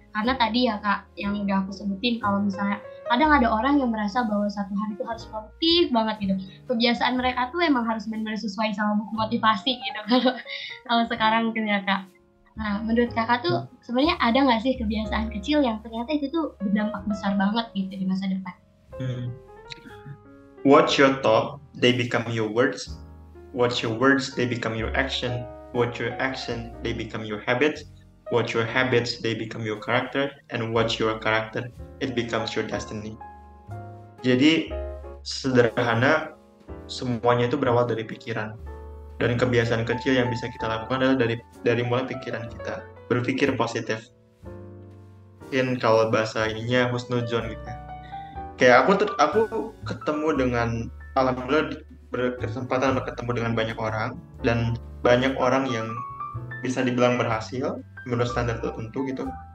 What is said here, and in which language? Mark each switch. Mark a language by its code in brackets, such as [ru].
[id] Karena tadi ya kak yang udah aku sebutin, kalau misalnya kadang ada orang yang merasa bahwa satu hari itu harus produktif banget gitu, kebiasaan mereka tuh emang harus benar-benar sesuai sama buku motivasi gitu kalau sekarang gitu ya kak. Nah menurut kakak tuh sebenarnya ada nggak sih kebiasaan kecil yang ternyata itu tuh berdampak besar banget gitu di masa depan? [en] Watch your thought, they become your words. Watch your words, they become your action. Watch your action, they become your habits. Watch your habits, they become your character. And watch your character, it becomes your destiny. [id] Jadi, sederhana, semuanya itu berawal dari pikiran. Dan kebiasaan kecil yang bisa kita lakukan adalah dari mulai pikiran kita. Berpikir positif. Mungkin kalau bahasa ininya husnuzon gitu ya. Kayak aku ketemu dengan, alhamdulillah berkesempatan ketemu dengan banyak orang, dan banyak orang yang bisa dibilang berhasil menurut standar tertentu gitu.